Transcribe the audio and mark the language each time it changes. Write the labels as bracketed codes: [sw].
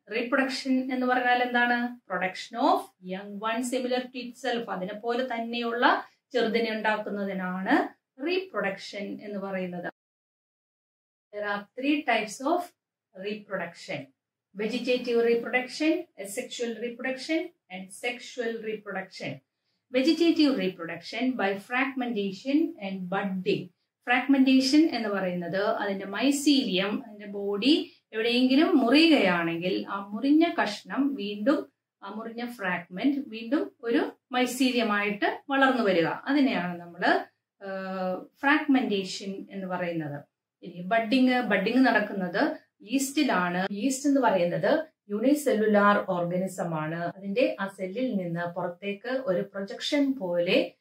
[ml] Reproduction എന്ന് പറഞ്ഞാൽ എന്താണ്? [en] production of young one similar to itself, [ml] അതിനെ പോലെ തന്നെയുള്ള ചെറുതിനെ ഉണ്ടാക്കുന്നതിനാണ് റീപ്രൊഡക്ഷൻ എന്ന് പറയുന്നത്. [en] There are three types of reproduction: vegetative reproduction, asexual reproduction and sexual reproduction. vegetative reproduction by fragmentation and budding. [ml] Fragmentation എന്ന് പറയുന്നത് അതിന്റെ മൈസീലിയം അതിന്റെ ബോഡി എവിടെയെങ്കിലും മുറിയുകയാണെങ്കിൽ ആ മുറിഞ്ഞ കഷ്ണം വീണ്ടും ആ മുറിഞ്ഞ ഫ്രാഗ്മെന്റ് വീണ്ടും ഒരു മൈസീലിയമായിട്ട് വളർന്നു വരിക അതിനെയാണ് നമ്മൾ ഫ്രാഗ്മെന്റേഷൻ എന്ന് പറയുന്നത് ഇനി ബഡ്ഡിംഗ് ബഡ്ഡിംഗ് നടക്കുന്നത് യീസ്റ്റിലാണ് യീസ്റ്റ് എന്ന് പറയുന്നത് യൂണിസെല്ലുലാർ ഓർഗാനിസം ആണ് അതിന്റെ ആ സെല്ലിൽ നിന്ന് പുറത്തേക്ക് ഒരു പ്രൊജക്ഷൻ പോലെ